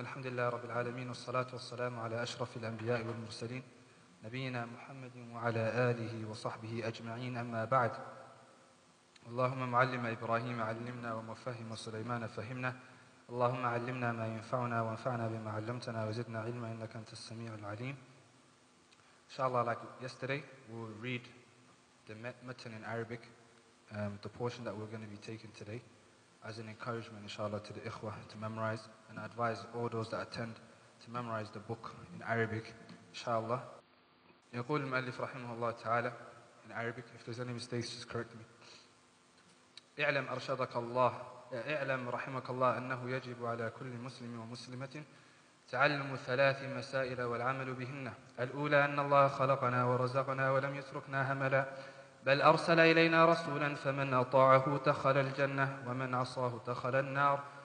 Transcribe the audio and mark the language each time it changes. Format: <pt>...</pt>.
<ar>الحمد لله رب العالمين، والصلاة والسلام على أشرف الأنبياء والمرسلين، نبينا محمد وعلى آله وصحبه أجمعين. أما بعد، اللهم معلم إبراهيم علمنا، ومفهم سليمان فهمنا، اللهم علمنا ما ينفعنا، وانفعنا بما علمتنا، وزدنا علما، إنك أنت السميع العليم.</ar> <en>إن شاء الله، like yesterday, we'll read the matn in Arabic, the portion that we're going to be taking today, as an encouragement, inshallah, to the ikhwah to memorize. And I advise all those that attend to memorize the book in Arabic, inshallah.</en> <ar>يقول المؤلف رحمه الله تعالى</ar> <en>in Arabic, if there's any mistakes, just correct me.</en> <ar>اعلم أرشدك الله اعلم رحمك الله أنه يجب على كل مسلم ومسلمة تعلم ثلاث مسائل والعمل بهن. الأولى أن الله خلقنا ورزقنا ولم يتركنا هملا، بل أرسل إلينا رسولا، فمن أطاعه دخل الجنة ومن عصاه دخل النار.</ar>